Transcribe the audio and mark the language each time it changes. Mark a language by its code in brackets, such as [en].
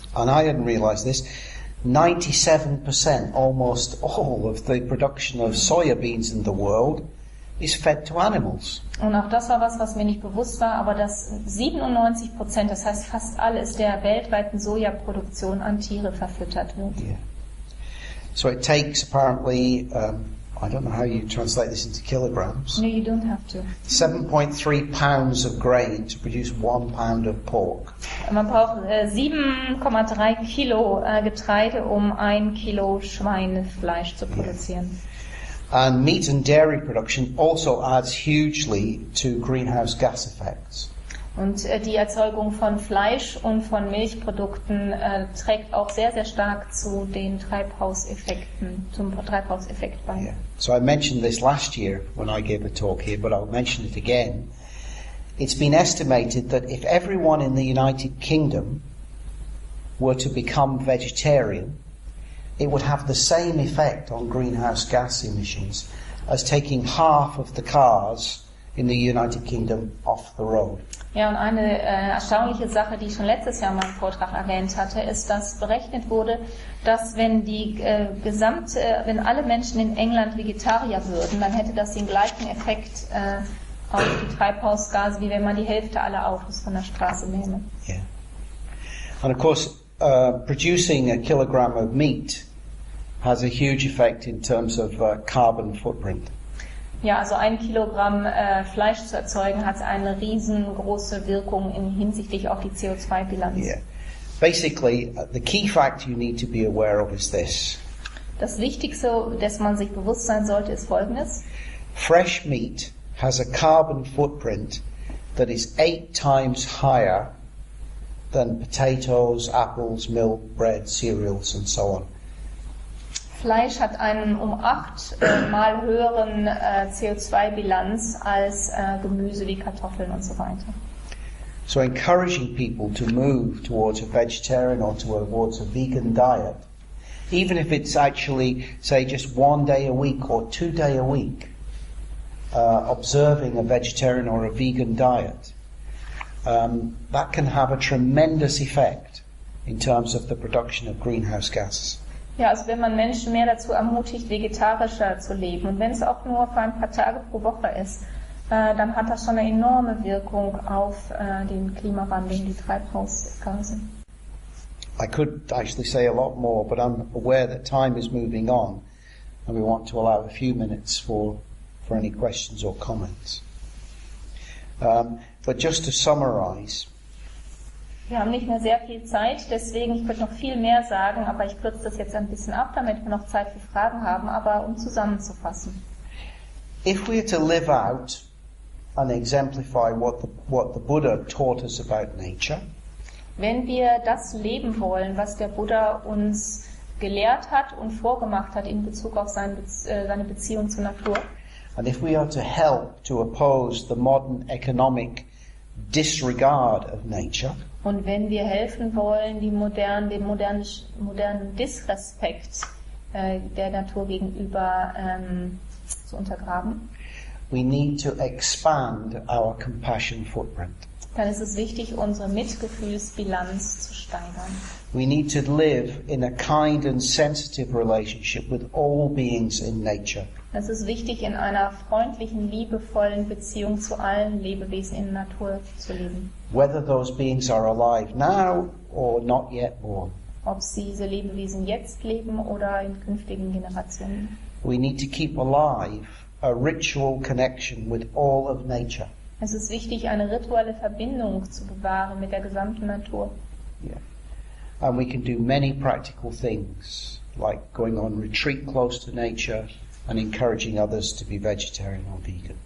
[en] And I hadn't realized this. 97%, almost all of the production of soybeans in the world is fed to animals. [de] Und auch das war was, was mir nicht bewusst war, aber dass 97%, das heißt fast alles der weltweiten Sojaproduktion an Tiere verfüttert wird. [en] Yeah. So it takes apparently I don't know how you translate this into kilograms. No, you don't have to. 7.3 pounds of grain to produce 1 pound of pork. [de] Man braucht 7,3 Kilo Getreide, um 1 Kilo Schweinefleisch zu produzieren. Yeah. [en] And meat and dairy production also adds hugely to greenhouse gas effects. [de] Und die Erzeugung von Fleisch und von Milchprodukten trägt auch sehr, sehr stark zu den Treibhauseffekten, zum Treibhauseffekt bei. [en] Yeah. So I mentioned this last year when I gave a talk here, but I'll mention it again. It's been estimated that if everyone in the United Kingdom were to become vegetarian, it would have the same effect on greenhouse gas emissions as taking half of the cars in the United Kingdom off the road. [de] Ja, und eine erstaunliche Sache, die ich schon letztes Jahr in meinem Vortrag erwähnt hatte, ist, dass berechnet wurde, dass wenn die wenn alle Menschen in England Vegetarier würden, dann hätte das den gleichen Effekt auf die Treibhausgase, wie wenn man die Hälfte aller Autos von der Straße nehme. [en] Yeah. And of course, producing a kilogram of meat has a huge effect in terms of carbon footprint. [de] Ja, also ein Kilogramm Fleisch zu erzeugen hat eine riesengroße Wirkung in hinsichtlich auf die CO2-Bilanz. [en] Yeah. Basically, the key fact you need to be aware of is this. [de] Das Wichtigste, dessen man sich bewusst sein sollte, ist Folgendes. [en] Fresh meat has a carbon footprint that is 8 times higher than potatoes, apples, milk, bread, cereals and so on. [de] Fleisch hat einen 8-mal höheren CO2-Bilanz als Gemüse wie Kartoffeln und so weiter. [en] So encouraging people to move towards a vegetarian or towards a vegan diet, even if it's actually, say, just 1 day a week or 2 days a week, observing a vegetarian or a vegan diet, that can have a tremendous effect in terms of the production of greenhouse gases. [de] Ja, also wenn man Menschen mehr dazu ermutigt, vegetarischer zu leben, und wenn es auch nur für ein paar Tage pro Woche ist, dann hat das schon eine enorme Wirkung auf den Klimawandel und die Treibhausgase. [en] I could actually say a lot more, but I'm aware that time is moving on, and we want to allow a few minutes for any questions or comments. But just to summarize. [de] Wir haben nicht mehr sehr viel Zeit, deswegen ich könnte noch viel mehr sagen, aber ich kürze das jetzt ein bisschen ab, damit wir noch Zeit für Fragen haben, aber um zusammenzufassen. [en] If we are to live out and exemplify what the Buddha taught us about nature, [de] wenn wir das leben wollen, was der Buddha uns gelehrt hat und vorgemacht hat in Bezug auf seine Beziehung zur Natur, [en] and if we are to help to oppose the modern economic disregard of nature, [de] und wenn wir helfen wollen, den modernen Disrespekt der Natur gegenüber zu untergraben, [en] we need to expand our compassion footprint. [de] Dann ist es wichtig, unsere Mitgefühlsbilanz zu steigern. [en] We need to live in a kind and sensitive relationship with all beings in nature. [de] Es ist wichtig, in einer freundlichen, liebevollen Beziehung zu allen Lebewesen in der Natur zu leben. [en] Whether those beings are alive now or not yet born. [de] Ob sie diese Lebewesen jetzt leben oder in künftigen Generationen. [en] We need to keep alive a ritual connection with all of nature. [de] Es ist wichtig, eine rituelle Verbindung zu bewahren mit der gesamten Natur. [en] Yeah. And we can do many practical things, like going on retreat close to nature, and encouraging others to be vegetarian or vegan.